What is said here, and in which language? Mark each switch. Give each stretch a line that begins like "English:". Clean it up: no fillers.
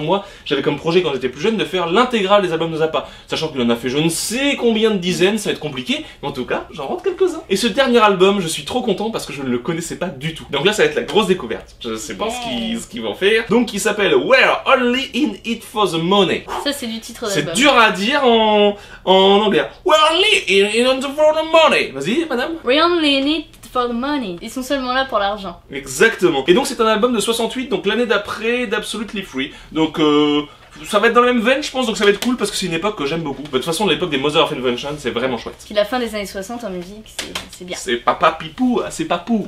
French: Moi, j'avais comme projet quand j'étais plus jeune de faire l'intégrale des albums de Zappa, sachant qu'il en a fait je ne sais combien de dizaines, ça va être compliqué, mais en tout cas, j'en rentre quelques-uns. Et ce dernier album, je suis trop content parce que je ne le connaissais pas du tout. Donc là, ça va être la grosse découverte. Je sais pas ce qu'ils vont faire. Donc il s'appelle We're Only in It for the Money. Ça, c'est du titre d'album. C'est dur à dire en anglais.
English: We're only in it for the money.
French: Vas-y, madame.
English: We're only in it for the money.
French: Ils sont seulement là pour l'argent. Exactement. Et donc, c'est un album de 68, donc l'année d'après d'Absolutely Free. Donc, ça va être dans la même veine, je pense, donc ça va être cool parce que c'est une époque que j'aime beaucoup. De toute façon, l'époque des Mother of Invention, c'est vraiment chouette. Puis la fin des années 60 en musique, c'est bien. C'est papa pipou, c'est papou.